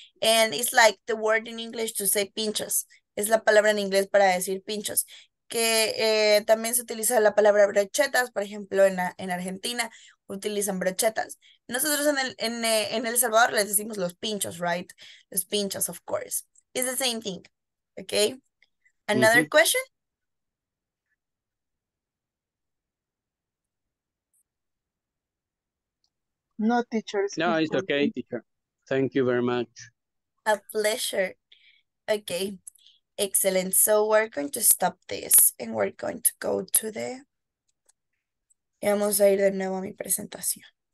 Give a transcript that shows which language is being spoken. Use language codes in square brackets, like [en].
[en] And it's like the word in English to say pinchos. [es] Es la palabra en inglés para decir pinchos. Que también se utiliza la palabra brochetas. Por ejemplo, en Argentina utilizan brochetas. Nosotros en El Salvador les decimos los pinchos, right? Los pinchos, [en] of course. It's the same thing, okay? Another question? No, teacher. No, it's okay, teacher. Thank you very much. A pleasure. Okay, excellent. So we're going to stop this and we're going to go to the... [es] Y vamos a ir de nuevo a mi presentación.